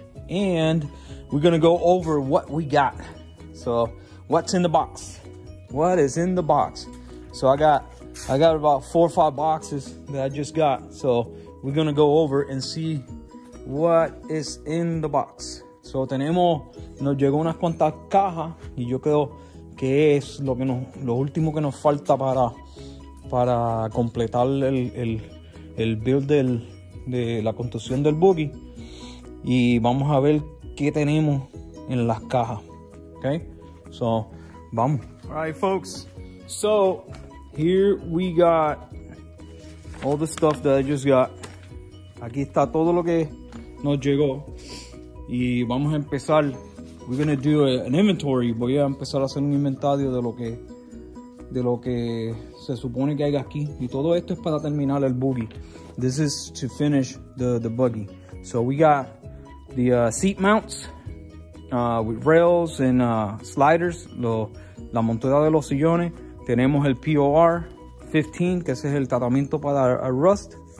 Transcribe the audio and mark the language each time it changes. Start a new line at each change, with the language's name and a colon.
English: And we're gonna go over what we got. So what's in the box? What is in the box? So I got about 4 or 5 boxes that I just got. So we're gonna go over and see what is in the box.
Spanish: So tenemos, nos llegó unas cuantas cajas y yo creo que es lo último que nos falta para completar el build de la construcción del buggy. Y vamos a ver qué tenemos en las cajas.
English: Okay? So
Spanish: vamos.
English: All right, folks. So here we got all the stuff that I just got.
Spanish: Aquí está todo lo que nos llegó. Y vamos a empezar.
English: We're gonna do an inventory.
Spanish: Voy a empezar a hacer un inventario de lo que se supone que hay aquí. Y todo esto es para terminar el buggy.
English: This is to finish the buggy. So we got the seat mounts with rails and sliders.
Spanish: La montura de los sillones. Tenemos el POR 15, que ese es el tratamiento para a rust.